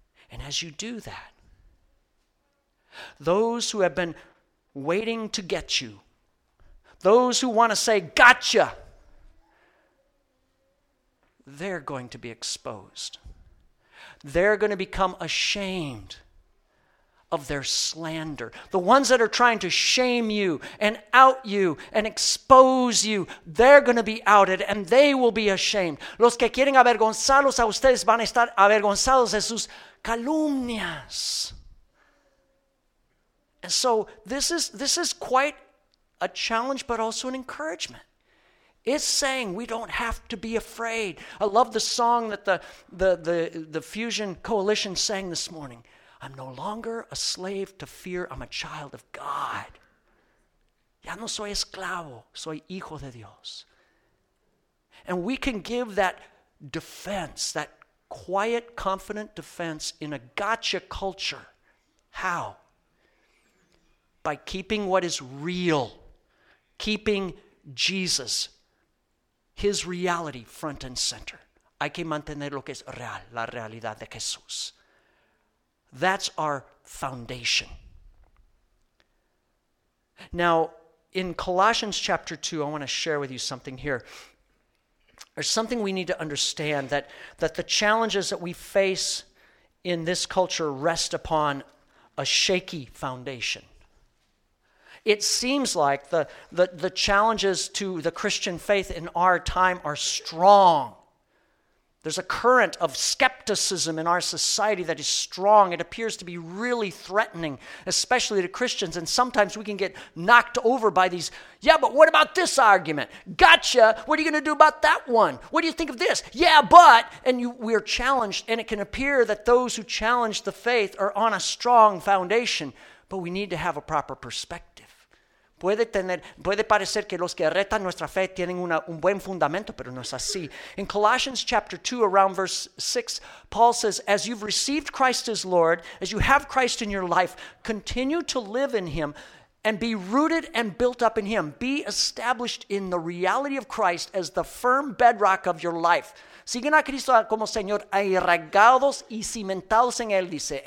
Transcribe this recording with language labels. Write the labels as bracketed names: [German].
[English] And as you do that, those who have been waiting to get you, those who want to say, gotcha, they're going to be exposed. They're going to become ashamed of their slander. The ones that are trying to shame you and out you and expose you, they're going to be outed and they will be ashamed. [Spanish] Los que quieren avergonzarlos a ustedes van a estar avergonzados de sus calumnias. [English] And so this is quite a challenge, but also an encouragement. It's saying we don't have to be afraid. I love the song that the Fusion Coalition sang this morning. I'm no longer a slave to fear. I'm a child of God. [Spanish] Ya no soy esclavo. Soy hijo de Dios. [English] And we can give that defense, that quiet, confident defense in a gotcha culture. How? By keeping what is real. Keeping Jesus, his reality, front and center. [Spanish] Hay que mantener lo que es real, la realidad de Jesús. [English] That's our foundation. Now, in Colossians chapter 2, I want to share with you something here. There's something we need to understand, that the challenges that we face in this culture rest upon a shaky foundation. It seems like the challenges to the Christian faith in our time are strong. There's a current of skepticism in our society that is strong. It appears to be really threatening, especially to Christians. And sometimes we can get knocked over by these, yeah, but what about this argument? Gotcha. What are you going to do about that one? What do you think of this? Yeah, but. And we're challenged. And it can appear that those who challenge the faith are on a strong foundation. But we need to have a proper perspective. [Spanish] Puede parecer que los que retan nuestra fe tienen un buen fundamento, pero no es así. [English] In Colossians chapter 2, around verse 6, Paul says, as you've received Christ as Lord, as you have Christ in your life, continue to live in him and be rooted and built up in him. Be established in the reality of Christ as the firm bedrock of your life. [Spanish] Siguen a Cristo como Señor, arraigados y cimentados en Él, dice.